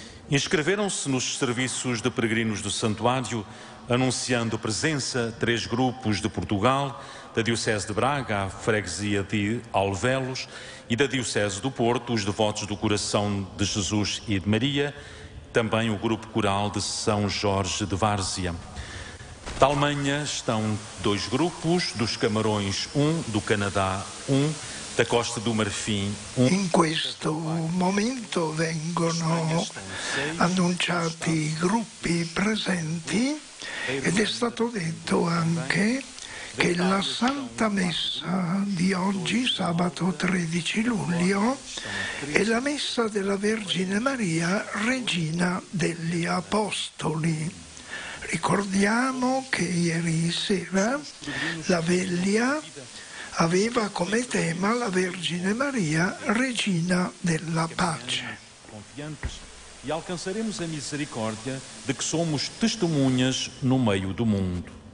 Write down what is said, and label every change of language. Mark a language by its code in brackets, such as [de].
[pt] Inscreveram-se nos serviços de peregrinos do santuário, anunciando presença, três grupos de Portugal, da Diocese de Braga, a Freguesia de Alvelos, e da Diocese do Porto, os devotos do Coração de Jesus e de Maria, também o grupo coral de São Jorge de Várzea. Talmanha estão dois grupos, dos Camarões um, do Canadá um, da Costa do Marfim um. [it] In questo momento vengono annunciati i gruppi presenti ed è stato detto anche che la Santa Messa di oggi, sabato 13 luglio, è la Messa della Vergine Maria, Regina degli Apostoli. Ricordiamo che ieri sera la veglia aveva come tema la Vergine Maria, Regina della Pace. [pt] E alcanzaremos a misericórdia de que somos testemunhas no meio do mundo.